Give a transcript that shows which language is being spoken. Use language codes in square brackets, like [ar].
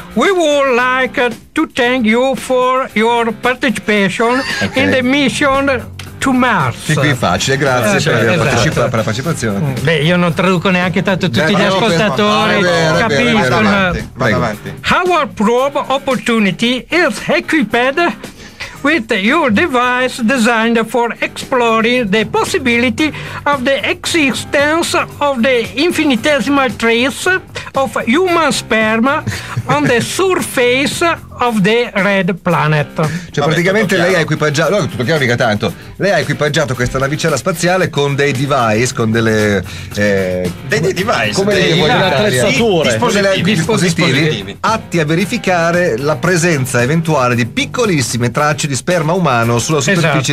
[en] We would like to thank you for your participation okay. in the mission to Mars. [it] Qui facile, grazie per la partecipazione. Beh, io non traduco neanche tanto tutti gli ascoltatori, capiscono. Vai avanti. [en] Our probe opportunity is equipped with your device designed for exploring the possibility of the existence of the infinitesimal trace of human sperma on the surface of the red planet. [it] Cioè, vabbè, praticamente lei ha equipaggiato. No, tutto chiaro mica tanto. Lei ha equipaggiato questa navicella spaziale con dei device, con delle. Dei device. Come dei attrezzature. Dispositivi. Atti a verificare la presenza eventuale di piccolissime tracce di sperma umano sulla superficie